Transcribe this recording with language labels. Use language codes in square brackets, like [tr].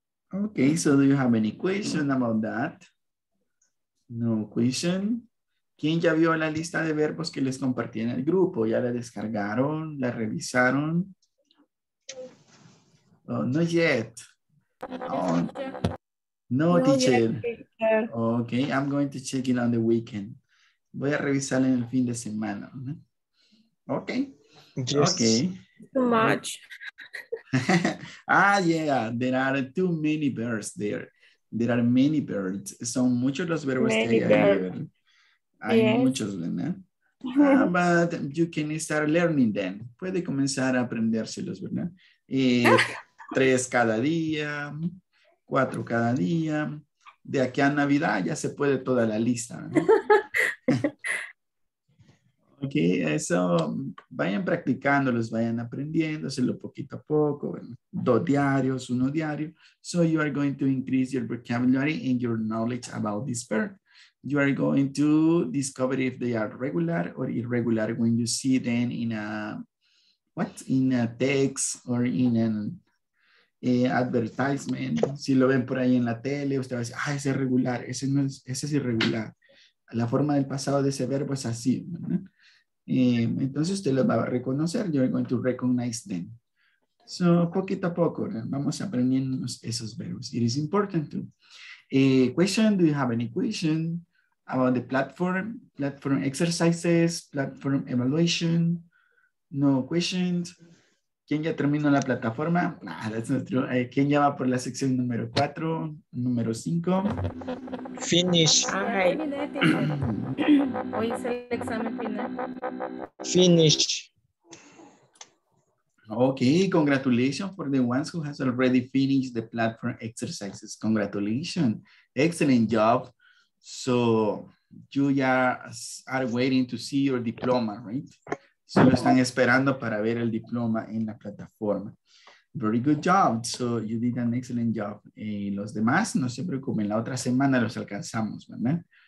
[en] Okay, so do you have any question about that? No question. [es] ¿Quién ya vio la lista de verbos que les compartí en el grupo? ¿Ya la descargaron? ¿La revisaron? [en] Oh, no yet. Oh. No, no, teacher. Ok, I'm going to check it on the weekend. [es] Voy a revisar en el fin de semana. [en] Ok. Yes. Ok. Too much. Ah, yeah. There are too many birds there. There are many birds. [es] Son muchos los verbos many que hay ahí. Hay [en] yes. [es] muchos, ¿verdad? [en] But you can start learning them. [es] Puede comenzar a aprendérselos, ¿verdad? tres cada día, cuatro cada día. De aquí a Navidad ya se puede toda la lista, ¿no? Ok, eso, vayan practicándolos, vayan aprendiéndoselo poquito a poco, ¿no? Dos diarios, uno diario. [en] So you are going to increase your vocabulary and your knowledge about this verb. You are going to discover if they are regular or irregular when you see them in a, what? In a text or in an advertisement. [es] Si lo ven por ahí en la tele, usted va a decir, ah, ese es regular, ese no es, ese es irregular. La forma del pasado de ese verbo es así, ¿no? Entonces usted lo va a reconocer. [en] You are going to recognize them. [es] So, poquito a poco, ¿no? Vamos aprendiendo esos verbos. [en] It is important to. Question, do you have any question about the platform, platform exercises, platform evaluation? No questions. [es] ¿Quién ya terminó la plataforma? [en] Nah, that's not true. [es] ¿Quién ya va por la sección número 4, número 5? [en] Finish. All right. [es] Hoy es el examen final. [en] Finish. Okay, congratulations for the ones who has already finished the platform exercises. Congratulations. Excellent job. So you are waiting to see your diploma, right? [es] Solo están esperando para ver el diploma en la plataforma. [en] Very good job. So you did an excellent job. [es] Los demás, no se preocupen, la otra semana los alcanzamos, ¿verdad?